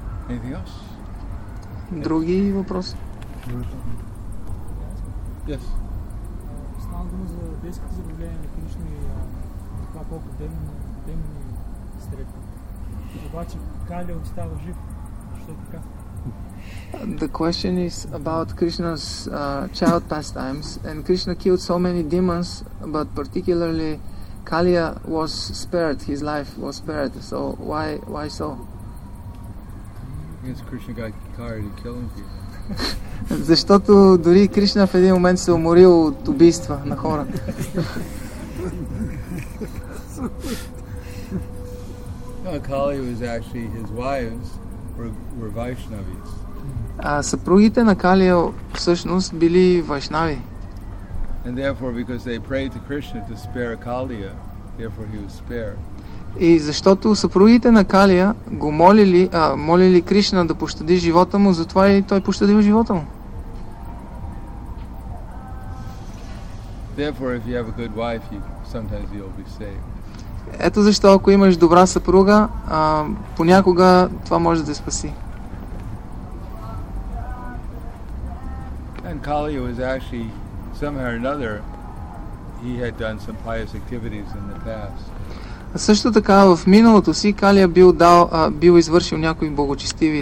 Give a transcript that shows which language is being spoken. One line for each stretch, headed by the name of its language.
English: Anything else?
Bulgarian: Други въпроси?
English: Yes.
Bulgarian: Стана дума за детските забавления на Кришна и това колко демони стрепа. Обаче Кали остава жив, защото така.
English: The question is about Krishna's child pastimes, and Krishna killed so many demons, but particularly Kaliya was spared, his life was spared. So why so? Because Krishna got tired of killing people.
Bulgarian: Защото дори Кришна в един момент се уморил от убийства на хора.
English: No, Kali was actually his wives were Vaishnavis.
Bulgarian: Съпругите на Калия всъщност били вайшнави.
English: And therefore because they prayed to Krishna to spare Kaliya, therefore he was spared.
Bulgarian: И защото съпругите на Калия го молили, молили Кришна да пощади живота му, затова и той пощадил живота му.
English: Therefore, if you have a good wife, sometimes you'll be saved.
Bulgarian: Ето защо, ако имаш добра съпруга, понякога това може да спаси.
English: And Kaliya was actually somehow or another, he had done some pious activities in the past.
Bulgarian: Също така в миналото си Кали е бил дал, бил извършил някои благочестиви